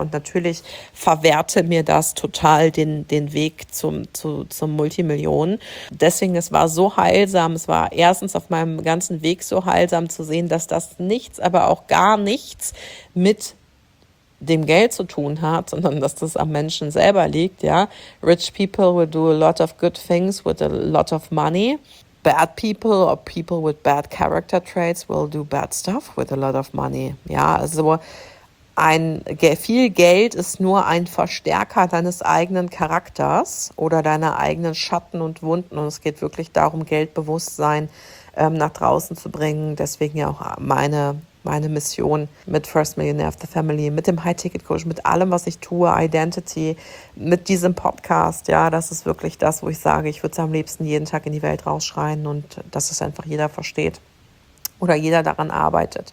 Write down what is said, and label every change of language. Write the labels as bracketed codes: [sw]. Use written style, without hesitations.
[de] Und natürlich verwehrte mir das total den Weg zum Multimillionen. Deswegen, es war so heilsam, es war erstens auf meinem ganzen Weg so heilsam zu sehen, dass das nichts, aber auch gar nichts mit dem Geld zu tun hat, sondern dass das am Menschen selber liegt, ja. [en] Rich people will do a lot of good things with a lot of money. Bad people or people with bad character traits will do bad stuff with a lot of money. [de] Ja, also viel Geld ist nur ein Verstärker deines eigenen Charakters oder deiner eigenen Schatten und Wunden. Und es geht wirklich darum, Geldbewusstsein nach draußen zu bringen. Deswegen ja auch meine Mission mit First Millionaire of the Family, mit dem High-Ticket-Coach, mit allem, was ich tue, Identity, mit diesem Podcast, ja, das ist wirklich das, wo ich sage, ich würde es am liebsten jeden Tag in die Welt rausschreien und dass es einfach jeder versteht oder jeder daran arbeitet.